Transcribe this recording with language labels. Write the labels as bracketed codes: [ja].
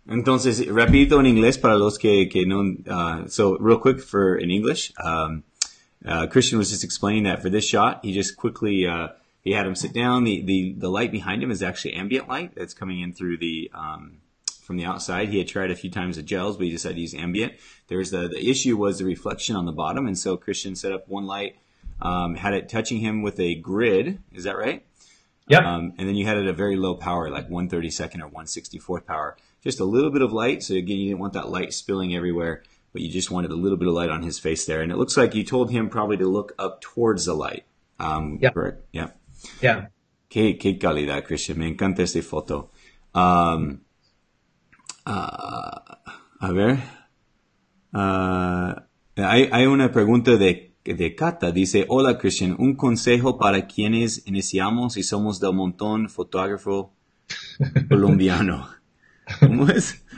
[es] Entonces, rapidito en inglés para los que no. [en] So, real quick for in English. Christian was just explaining that for this shot, he just quickly he had him sit down. The light behind him is actually ambient light that's coming in through the from the outside. He had tried a few times the gels, but he decided to use ambient. There's the issue was the reflection on the bottom, and so Christian set up one light, had it touching him with a grid. Is that right? Yeah. And then you had it at a very low power, like 1/32nd or 1/64th power. Just a little bit of light. So again, you didn't want that light spilling everywhere, but you just wanted a little bit of light on his face there. And it looks like you told him probably to look up towards the light. Correct. Yeah. Yeah. [es] Qué calidad, Christian. Me encanta esta foto. A ver. Hay una pregunta de Cata. Dice, hola, Christian. Un consejo para quienes iniciamos y somos del montón fotógrafo colombiano. ¿Cómo es?